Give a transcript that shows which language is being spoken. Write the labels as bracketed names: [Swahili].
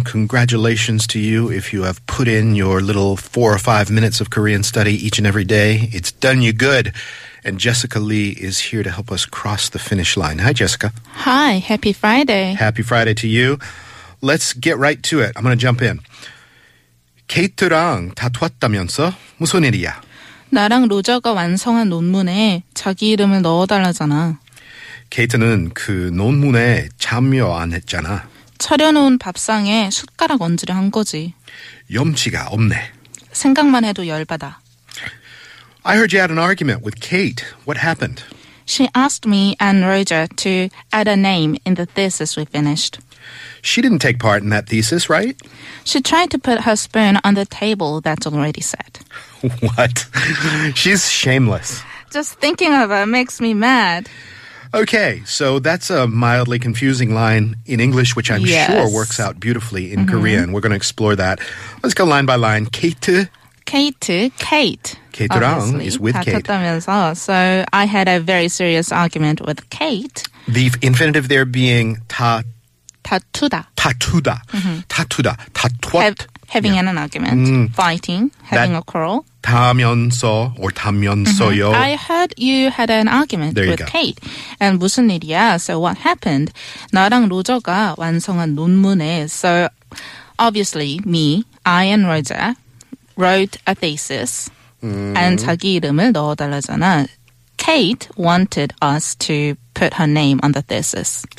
[English] Congratulations to you if you have put in your little 4 or 5 minutes of Korean study each and every day. It's done you good. And Jessica Lee is here to help us cross the finish line. Hi, Jessica. Hi, happy Friday. Happy Friday to you. Let's get right to it. I'm going to jump in. [Korean] 케이트랑 다투었다면서 무슨 일이야? 나랑 로저가 완성한 논문에 자기 이름을 넣어달라잖아. 케이트는 그 논문에 참여 안 했잖아. 차려놓은 밥상에 숟가락 얹으려 한 거지. 염치가 없네. 생각만 해도 열받아. [English] I heard you had an argument with Kate. What happened? She asked me and Roger to add a name in the thesis we finished. She didn't take part in that thesis, right? She tried to put her spoon on the table that's already set. What? She's shameless. Just thinking of her makes me mad. Okay, so that's a mildly confusing line in English, which I'm sure works out beautifully in Korean. We're going to explore that. Let's go line by line. Kate. Kate-rang is with Kate. So I had a very serious argument with Kate. The infinitive there being [Korean] 다투다. Mm-hmm. 다투다. 다투다. [English] Having an argument. Fighting. Having a quarrel. [Korean] 다면서 or 다면서요. Mm-hmm. [English] I heard you had an argument with Kate. And [Korean] 무슨 일이야? [English] So what happened? [Korean] 나랑 로저가 완성한 논문에. [English] So obviously me, I and Roger wrote a thesis. [Korean] And 자기 이름을 넣어달라잖아. [English] Kate wanted us to put her name on the thesis